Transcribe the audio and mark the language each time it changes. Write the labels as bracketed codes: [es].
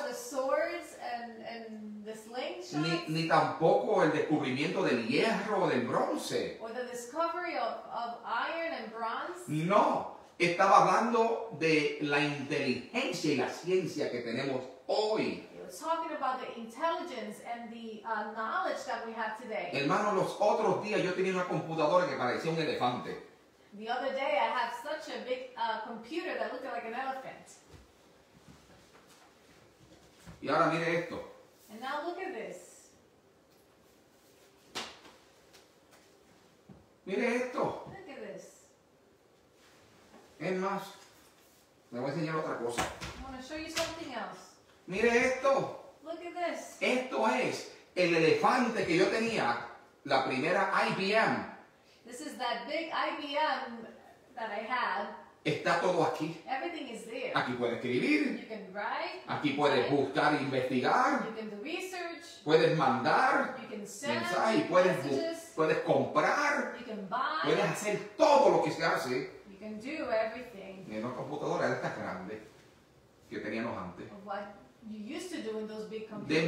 [en] The swords and the slingshots. [es] Ni tampoco el descubrimiento del hierro o del bronce. [en] Or the discovery of iron and bronze. [es] No, estaba hablando de la inteligencia y la ciencia que tenemos hoy. [en] Talking about the intelligence and the knowledge that we have today. [es] Hermano, los otros días yo tenía una computadora que parecía un elefante. [en] The other day I had such a big computer that looked like an elephant. [es] Y ahora mire esto. [en] And now look at this. [es] Mire esto. [en] Look at this. [es] Es más, le voy a enseñar otra cosa. [en] I want to show you something else. [es] Mire esto. [en] Look at this. [es] Esto es el elefante que yo tenía, la primera IBM. [en] This is that big IBM that I had. [es] Está todo aquí. [en] Everything is there. [es] Aquí puedes escribir. [en] You can write. [es] Aquí puedes buscar e investigar. [en] You can do research. [es] Puedes mandar. [en] You can send [es] mensajes. Puedes comprar. [en] You can buy. [es] Puedes hacer todo lo que se hace. [en] You can do everything. [es] En una computadora de estas grandes que teníamos antes. [en] Of what you used to do in those big computers.